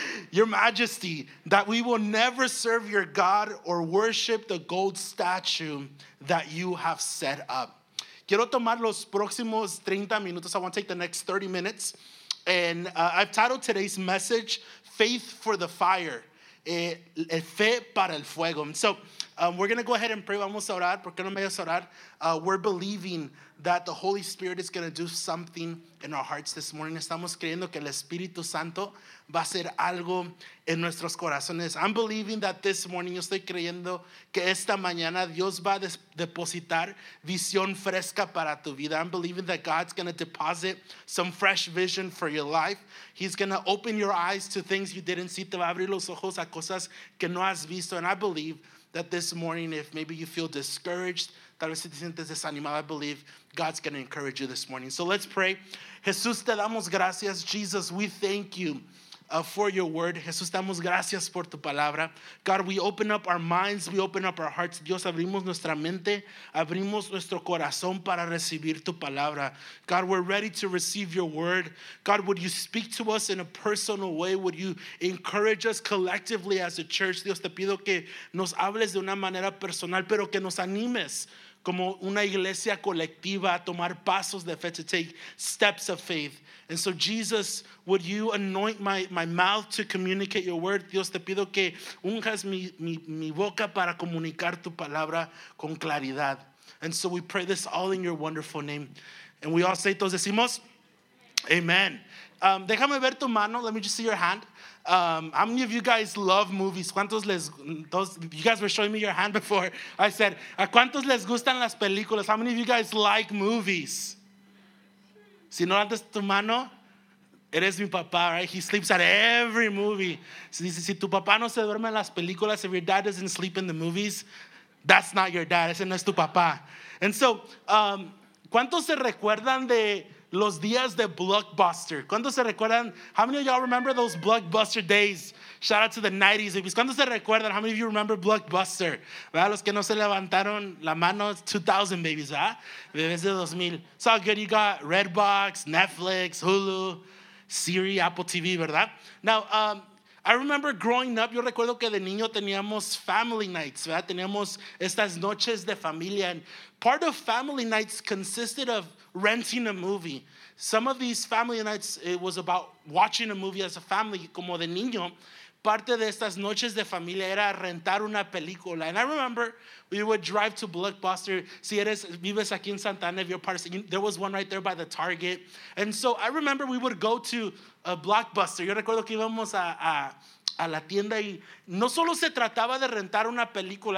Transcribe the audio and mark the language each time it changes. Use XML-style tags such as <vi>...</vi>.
<en>Your majesty, that we will never serve your God or worship the gold statue that you have set up.</en> <es>Quiero tomar los próximos 30 minutos.</es> <en>I want to take the next 30 minutes. And I've titled today's message, Faith for the Fire, Fe para el Fuego. And so we're going to go ahead and pray.</en> <es>Vamos a orar. ¿Por qué no me vas a orar?</es> <en>We're believing that the Holy Spirit is going to do something in our hearts this morning.</en> <es>Estamos creyendo que el Espíritu Santo va a hacer algo en nuestros corazones.</es> <en>I'm believing that this morning,</en> <es>yo estoy creyendo que esta mañana Dios va a depositar visión fresca para tu vida.</es> <en>I'm believing that God's going to deposit some fresh vision for your life. He's going to open your eyes to things you didn't see.</en> <es>Te va a abrir los ojos a cosas que no has visto.</es> <en>And I believe that this morning, if maybe you feel discouraged,</en> <es>tal vez si te sientes desanimado,</es> <en>I believe God's going to encourage you this morning. So let's pray.</en> <es>Jesús, te damos gracias.</es> <en>Jesus, we thank you for your word.</en> <es>Jesús, te damos gracias por tu palabra.</es> <en>God, we open up our minds, we open up our hearts.</en> <es>Dios, abrimos nuestra mente, abrimos nuestro corazón para recibir tu palabra.</es> <en>God, we're ready to receive your word. God, would you speak to us in a personal way? Would you encourage us collectively as a church?</en> <es>Dios, te pido que nos hables de una manera personal, pero que nos animes como una iglesia colectiva a tomar pasos de fe,</es> <en>to take steps of faith. And so, Jesus, would you anoint my mouth to communicate your word?</en> <es>Dios, te pido que unjas mi boca para comunicar tu palabra con claridad.</es> <en>And so we pray this all in your wonderful name. And we all say,</en> <es>todos decimos,</es> <en>amen.</en> <es>Déjame ver tu mano.</es> <en>Let me just see your hand. How many of you guys love movies?</en> <es>¿Cuántos les,</es> <en>those, you guys were showing me your hand before. I said,</en> <es>¿a cuántos les gustan las películas?</es> <en>How many of you guys like movies?</en> <es>Si no levantas tu mano, eres mi papá,</es> <en>right? He sleeps at every movie.</en> <es>Si tu papá no se duerme en las películas,</es> <en>if your dad doesn't sleep in the movies, that's not your dad.</en> <es>Ese no es tu papá.</es> <en>And so,</en> <es>¿cuántos se recuerdan de los días de Blockbuster? ¿Cuántos se recuerdan?</es> <en>How many of y'all remember those Blockbuster days? Shout out to the 90s babies.</en> <es>¿Cuántos se recuerdan?</es> <en>How many of you remember Blockbuster? ¿Verdad?</en> <es>Los que no se levantaron la mano,</es> <en>2000 babies,</en> <es>¿verdad? Bebés de 2000.</es> <en>It's all good. You got Redbox, Netflix, Hulu, Siri, Apple TV, ¿verdad? Now, I remember growing up,</en> <es>yo recuerdo que de niño teníamos</es> <en>family nights, ¿verdad?</en> <es>Teníamos estas noches de familia.</es> <en>And part of family nights consisted of renting a movie. Some of these family nights, it was about watching a movie as a family.</en> <es>Como de niño, parte de estas noches de familia era rentar una película.</es> <en>And I remember we would drive to Blockbuster.</en> <es>Si eres, vives aquí en Santa Ana,</es> <en>if you're part of, there was one right there by the Target. And so I remember we would go to a Blockbuster.</en> <es>Yo recuerdo que íbamos a la tienda y no solo se trataba de rentar una película.</es>